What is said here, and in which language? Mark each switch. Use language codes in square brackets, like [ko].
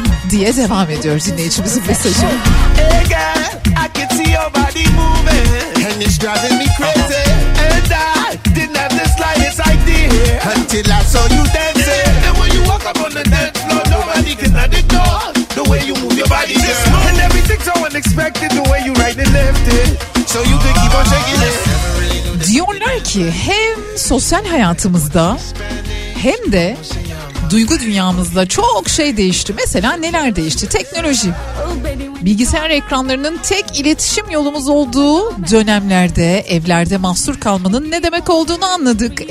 [tr] Diye devam ediyor dinleyicimizin mesajı. [en] Hey girl, I can see your body moving and it's driving me crazy. And I didn't have the slightest idea until I saw you dancing. And when you walk up on the dance floor, nobody can not ignore the way you move your body, girl. And everything's so unexpected, the way you right and left it. So you can keep on shaking it. [tr] Diyorlar ki hem sosyal hayatımızda hem de duygu dünyamızda çok şey değişti. Mesela neler değişti? Teknoloji. Bilgisayar ekranlarının tek iletişim yolumuz olduğu dönemlerde evlerde mahsur kalmanın ne demek olduğunu anladık.